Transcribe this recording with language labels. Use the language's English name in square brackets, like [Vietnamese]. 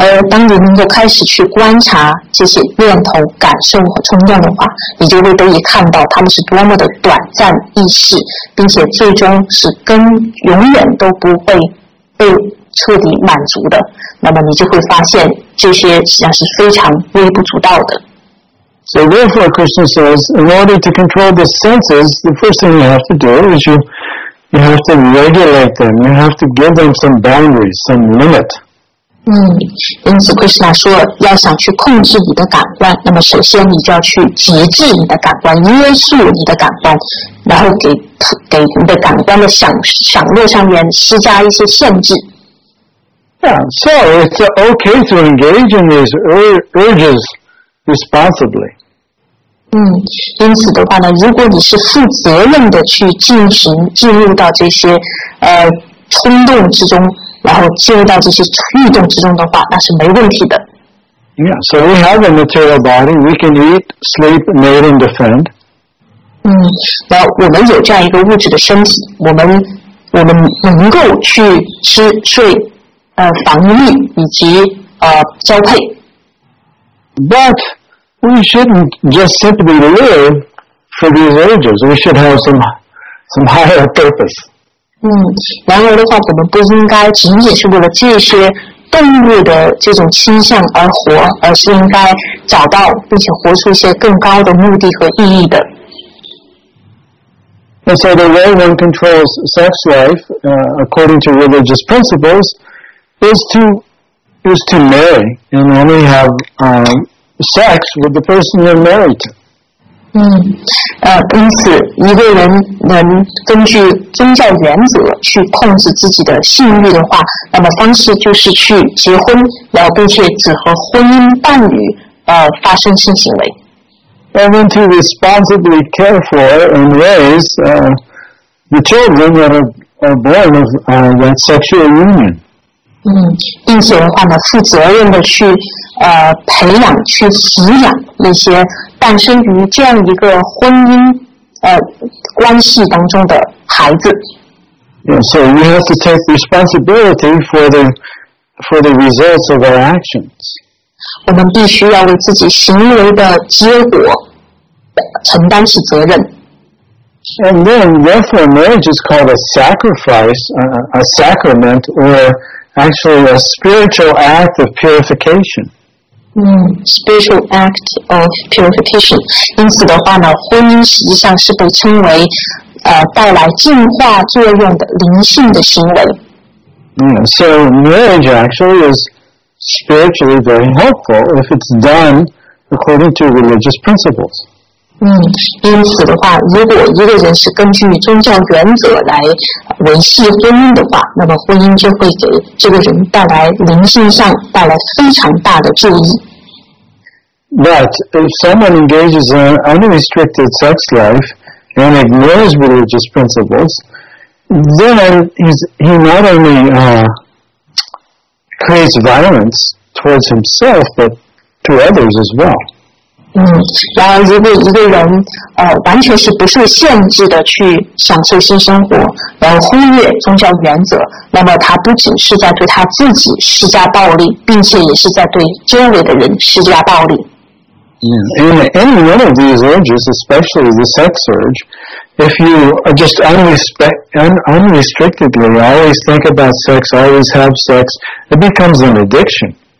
[Chinese] 当你能够开始去观察这些念头、感受和冲动的话，你就会得以看到他们是多么的短暂易逝，并且最终是跟永远都不会被彻底满足的。那么你就会发现这些实际上是非常微不足道的。 [English] So therefore, Krishna says, in order to control the senses, the first thing you have to do is you, You have to regulate them. You have to give them some boundaries, some limit. [Chinese] 嗯，因此 Krishna 说，要想去控制你的感官，那么首先你就要去节制你的感官，约束你的感官，然后给你的感官的享乐上面施加一些限制。 [English] Yeah, so it's okay to engage in these urges responsibly. [Chinese] 嗯，因此的话呢，如果你是负责任的去进入到这些冲动之中。然后进入到这些运动之中的话，那是没问题的。 [English] Yeah, so we have a material body, we can eat, sleep, mate, and defend. [Chinese] 嗯，那我们有这样一个物质的身体，我们能够去吃睡，防御以及交配。 [English] But we shouldn't just simply live for these urges. We should have some higher purpose. [Chinese] 嗯，然而的话，我们不应该仅仅是为了这些动物的这种倾向而活，而是应该找到并且活出一些更高的目的和意义的。 [English] And so the way one controls sex life, according to religious principles, is to marry and only have sex with the person you're married to. [Chinese] 嗯，因此一个人能根据宗教原则去控制自己的性欲的话，那么方式就是去结婚，然后并且只和婚姻伴侣发生性行为。 [English] And then to responsibly care for and raise the children that are born of that sexual union. [Chinese] 嗯，并且的话呢，负责任的去培养、去抚养那些。诞生于这样一个婚姻关系当中的孩子。 [English] Yeah, so we have to take responsibility for the results of our actions. [Chinese] 我们必须要为自己行为的结果承担起责任。 [English] And then, therefore, marriage is called a sacrifice, a sacrament, or actually a spiritual act of purification. Spiritual act of purification. [Chinese] 因此的话呢，婚姻实际上是被称为带来净化作用的灵性的行为。 [English] So marriage actually is spiritually very helpful if it's done according to religious principles. [Chinese] 因此的话，如果一个人是根据宗教原则来维系婚姻的话，那么婚姻就会给这个人带来灵性上带来非常大的注意。 [English] But if someone engages in unrestricted sex life and ignores religious principles, then he not only creates violence towards himself, but to others as well. [Chinese] 然而如果一个人完全是不受限制的去享受性生活，然后忽略宗教原则，那么他不仅是在对他自己施加暴力，并且也是在对周围的人施加暴力。 [English] And any one of these urges, especially the sex urge, if you just unrestrictedly always think about sex, always have sex, it becomes an addiction.